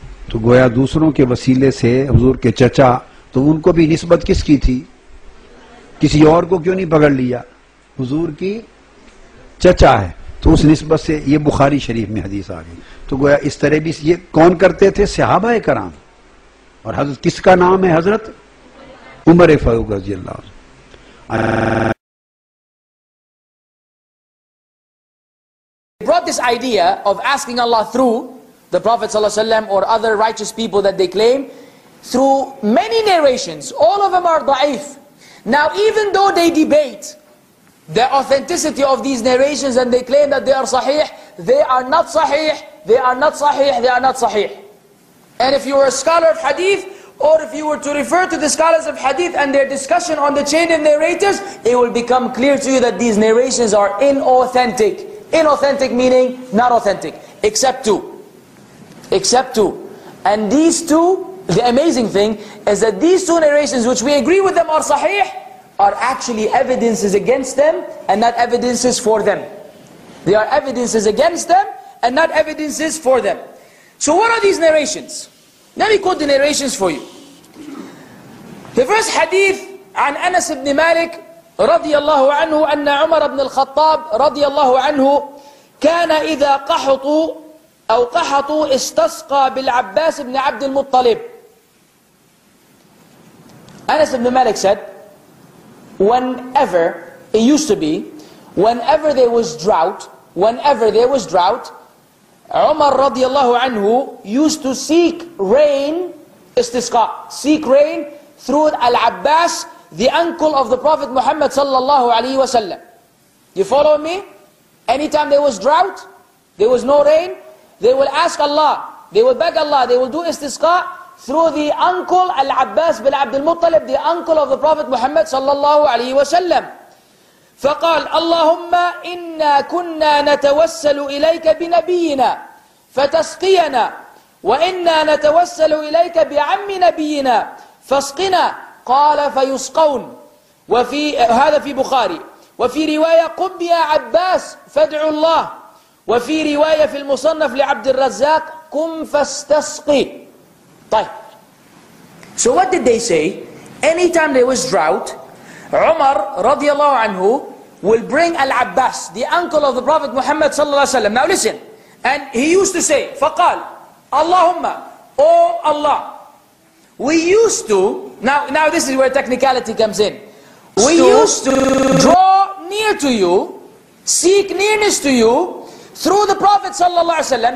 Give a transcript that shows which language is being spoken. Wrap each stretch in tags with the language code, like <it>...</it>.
<ur>تو گویا دوسروں کے وسیلے سے حضور کے چچا، تو ان کو بھی نسبت کس کی تھی؟ کسی اور کو کیوں نہیں پکڑ لیا؟ حضور کی چچا ہے، تو اس نسبت سے یہ بخاری شریف میں حدیث آ گئی. تو گویا اس طرح بھی یہ کون کرتے تھے؟ صحابہ کرام. اور حضرت کس کا نام ہے؟ حضرت عمر فاروق رضی اللہ عنہ.</ur> <en>They brought this idea of asking Allah through the Prophet ﷺ or other righteous people that they claim through many narrations. All of them are da'if. Now, even though they debate the authenticity of these narrations and they claim that they are sahih, they are not sahih, they are not sahih, they are not sahih. And if you were a scholar of hadith, or if you were to refer to the scholars of hadith and their discussion on the chain of narrators, it will become clear to you that these narrations are inauthentic. Inauthentic meaning not authentic. Except two. Except two. And these two, the amazing thing is that these two narrations, which we agree with them are sahih, are actually evidences against them and not evidences for them. They are evidences against them and not evidences for them. So what are these narrations? Let me quote the narrations for you. The first hadith</en> <ar>عن أنس بن مالك رضي الله عنه أن عمر بن الخطاب رضي الله عنه كان إذا قحطوا أو قحطوا استسقى بالعباس بن عبد المطلب.</ar> <en>أنس بن مالك said, whenever it used to be, whenever there was drought, whenever there was drought, Umar radiallahu anhu used to seek rain, istisqa, seek rain through Al-Abbas, the uncle of the Prophet Muhammad sallallahu alayhi wa sallam. You follow me? Anytime there was drought, there was no rain, they will ask Allah, they will beg Allah, they will do istisqa through the uncle Al-Abbas bin Abdul Muttalib, the uncle of the Prophet Muhammad sallallahu alayhi wa sallam.</en> <ar>فقال اللهم إنا كنا نتوسل إليك بنبينا فتسقينا وإنا نتوسل إليك بعم نبينا فاسقنا قال فيسقون وفي هذا في بخاري وفي رواية قم يا عباس فادعوا الله وفي رواية في المصنف لعبد الرزاق قم فاستسقي. طيب</ar> <en>so what did they say? Anytime there was drought, عمر رضي الله عنه will bring Al-Abbas, the uncle of the Prophet Muhammad sallallahu alaihi wasallam. Now listen, and he used to say,</en> <ar>فقال, اللهم,</ar> <en>O Allah, we used to, now this is where technicality comes in, we used to draw near to you, seek nearness to you, through the Prophet sallallahu alaihi wasallam.</en>